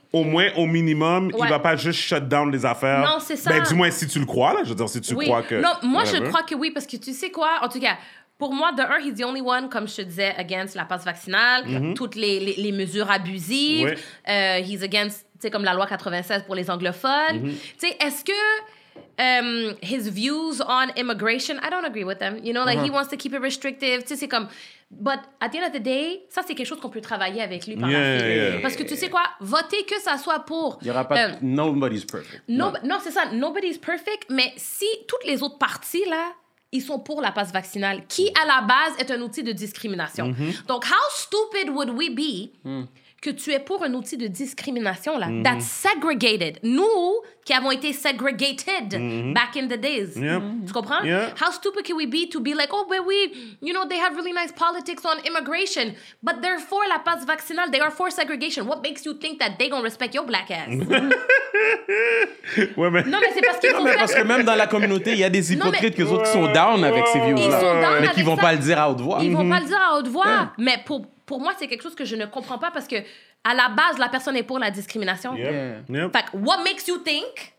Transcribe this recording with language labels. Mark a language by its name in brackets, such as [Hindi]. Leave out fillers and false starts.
[French] au moins, au minimum, ouais. il ne va pas juste [English] shut down [French] les affaires. Non, c'est ça. Ben, du moins, si tu le crois, là. Je veux dire, si tu oui. crois que... Non, moi, whatever. Je crois que oui, parce que tu sais quoi? En tout cas... Pour moi, de un, [English] he's the only one, [French] comme je te disais, against la passe vaccinale, mm-hmm. toutes les mesures abusives. Oui. [English] He's against, [French] tu sais, comme la loi 96 pour les anglophones. Mm-hmm. Tu sais, est-ce que [English] his views on immigration, I don't agree with them. You know, like, mm-hmm. he wants to keep it restrictive. [French] Tu sais, c'est comme... [English] But at the end of the day, [French] ça, c'est quelque chose qu'on peut travailler avec lui par [English] yeah, [French] la suite. [English] Yeah, yeah. [French] Parce que tu sais quoi? Voter que ça soit pour... Il n'y aura pas... [English] Nobody's perfect. [French] Non, c'est ça. [English] Nobody's perfect. [French] Mais si toutes les autres parties, là... ils sont pour la passe vaccinale, qui, à la base, est un outil de discrimination. Mm-hmm. Donc, [English] how stupid would we be [French] que tu es pour un outil de discrimination, là, mm-hmm. [English] that's segregated. [French] Nous, qui avons été [English] segregated mm-hmm. back in the days. Yep. Mm-hmm. [French] Tu comprends? [English] Yep. How stupid can we be to be like, oh, but we, you know, they have really nice politics on immigration, but they're for la passe vaccinale, they are for segregation. What makes you think that they gonna respect your black ass? [French] Ouais, mais... Non, mais c'est parce qu'ils ont... parce que même dans la communauté, il y a des hypocrites qu'eux autres qui sont down avec ces views-là. Ils sont down mais qui vont ça. Pas le dire à haute voix. Ils mm-hmm. vont pas le dire à haute voix. Yeah. Mais pour moi, c'est quelque chose que je ne comprends pas parce que à la base, la personne est pour la discrimination. [English] Yeah. Yeah. Fait, what makes you think